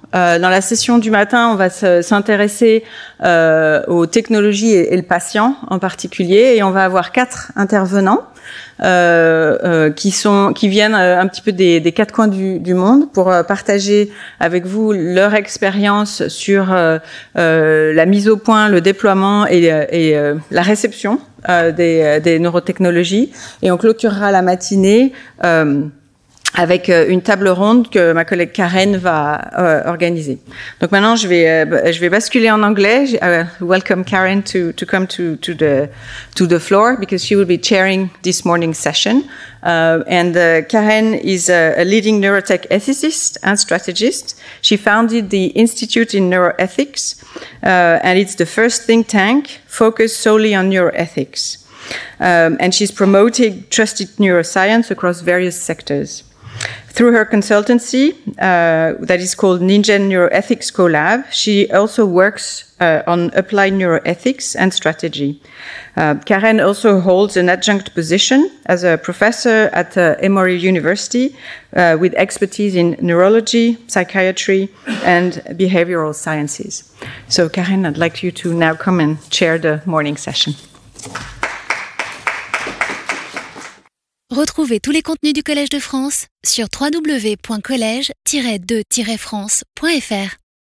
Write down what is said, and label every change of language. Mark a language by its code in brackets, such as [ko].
[fr] Dans la session du matin, on va s'intéresser aux technologies et le patient en particulier, et on va avoir quatre intervenants qui viennent un petit peu des quatre coins du monde pour partager avec vous leur expérience sur la mise au point, le déploiement et la réception des neurotechnologies. Et on clôturera la matinée avec une table ronde que ma collègue Karen va organiser. Donc maintenant, je vais basculer en anglais. [en] Welcome Karen to come to the floor, because she will be chairing this morning's session. Karen is a leading neurotech ethicist and strategist. She founded the Institute in Neuroethics, and it's the first think tank focused solely on neuroethics. And she's promoting trusted neuroscience across various sectors. Through her consultancy that is called NinGen Neuroethics Co-Lab, she also works on applied neuroethics and strategy. Karen also holds an adjunct position as a professor at Emory University with expertise in neurology, psychiatry, and behavioral sciences. So Karen, I'd like you to now come and chair the morning session. [fr] Retrouvez tous les contenus du Collège de France sur www.college-de-france.fr.